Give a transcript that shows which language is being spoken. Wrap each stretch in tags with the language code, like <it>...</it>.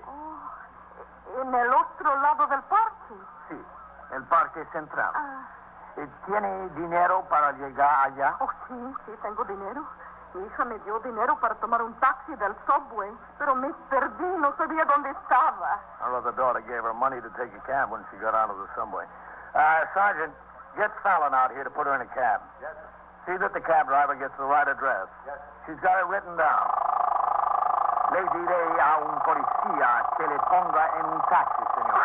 <es>Oh, en el otro lado del parque? Sí, el parque central. ¿Tiene dinero para llegar allá? Oh, sí, sí, tengo dinero. Mi hija me dio dinero para tomar un taxi del subway, pero me perdí, no sabía dónde estaba.</es> <en>Her other daughter gave her money to take a cab when she got out of the subway. Sergeant, get Fallon out here to put her in a cab. Yes, sir. See that the cab driver gets the right address. Yes, sir. She's got it written down.</en> <es>Le diré a un policía que le ponga en un taxi, señor.</es>